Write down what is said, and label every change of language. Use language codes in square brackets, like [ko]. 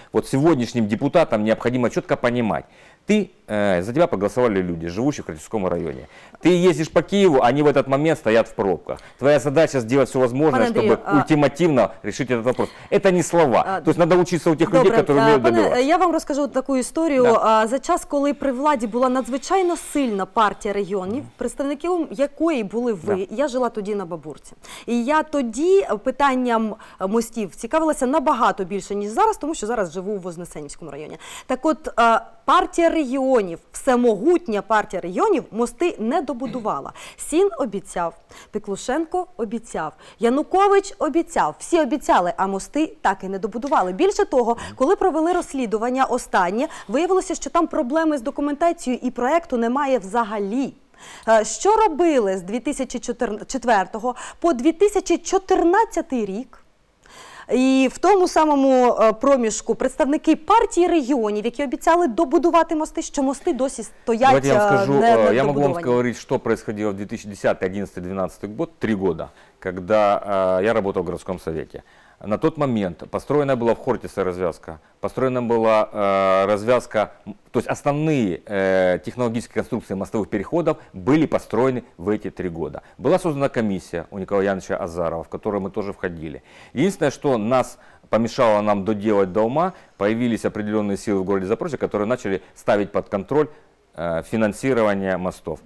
[ru] Вот сегодняшним депутатам необходимо четко понимать. Ты, за тебя проголосовали люди, живущие в Хортицком районе. Ты ездишь по Киеву, они в этот момент стоят в пробках. Твоя задача сделать все возможное, чтобы ультимативно решить этот вопрос. Это не слова. То есть надо учиться у тех людей, которые умеют добиваться. [uk] Я вам розкажу таку історію. За час, коли при владі була надзвичайно сильна партія регіонів, представниками якої були ви, я жила тоді на Бабурці. І я тоді питанням мостів цікавилася набагато більше, ніж зараз, тому що зараз живу у Вознесенівському районі. Так от, партія регіонів, всемогутня партія регіонів, мости не добудувала. Сін обіцяв, Піклушенко обіцяв, Янукович обіцяв. Всі обіцяли, а мости так і не добудували. Більше того, коли провели розслідування останнє, виявилося, що там проблеми з документацією і проєкту немає взагалі. Що робили з 2004 по 2014 рік? І в тому самому проміжку представники партії регіонів, які обіцяли добудувати мости, що мости досі стоять. Давайте я вам скажу, я можу вам сказати, що відбувалося в 2010-2011 рік, 3 роки, коли я працював в міському совєті. [ru] На тот момент построена была в Хортице развязка, построена была развязка, то есть основные технологические конструкции мостовых переходов были построены в эти 3 года. Была создана комиссия у Николая Яновича Азарова, в которую мы тоже входили. Единственное, что нас помешало нам доделать до ума, появились определенные силы в городе Запорожье, которые начали ставить под контроль финансирование мостов.